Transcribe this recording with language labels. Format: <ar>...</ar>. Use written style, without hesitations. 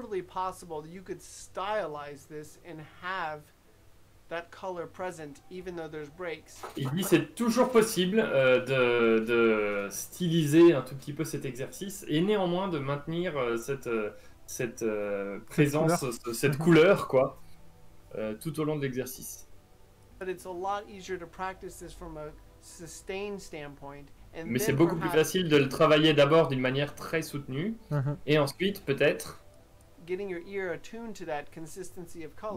<en>Possible that you could stylize this and have that color present even though there's breaks.</en> <fr>Il dit c'est toujours possible de styliser un tout petit peu cet exercice et néanmoins de maintenir cette présence, cette couleur quoi, tout au long de l'exercice.</fr> <en>But it's a lot easier to practice this from a sustained standpoint.</en> <fr>Mais c'est beaucoup plus facile de le travailler d'abord d'une manière très soutenue et ensuite peut-être</fr> <en>getting your ear attuned to that consistency of color.</en>